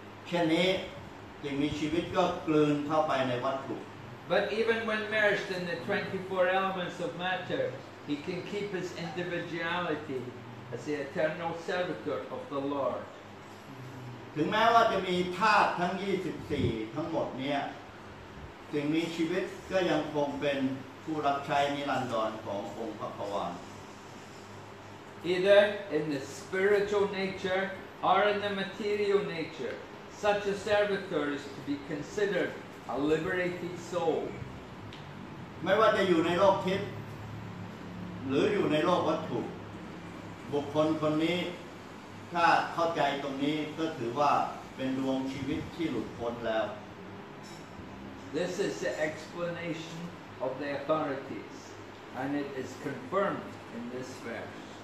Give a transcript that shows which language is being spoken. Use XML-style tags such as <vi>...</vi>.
<th>ฉะนั้นจึงมีชีวิตก็กลืนเข้าไปในวัตถุ</th> <en>But even when merged in the 24 elements of matter he can keep his individuality as the eternal servitor of the Lord</en> <th>ถึงแม้ว่าจะมีธาตุทั้ง24ทั้งหมดเนี่ยสิ่งมีชีวิตก็ยังคงเป็นผู้รับใช้นิรันดรขององค์พระผวาน</th> <en>Either in the spiritual nature or in the material nature such a servitor is to be considered a liberated soul</en> <th>ไม่ว่าจะอยู่ในโลกทิพย์หรืออยู่ในโลกวัตถุบุคคลคนนี้ถ้าเข้าใจตรงนี้ก็ถือว่าเป็นดวงชีวิตที่หลุดพ้นแล้ว</th> <en>This is the explanation of the authorities, and it is confirmed in this verse.</en>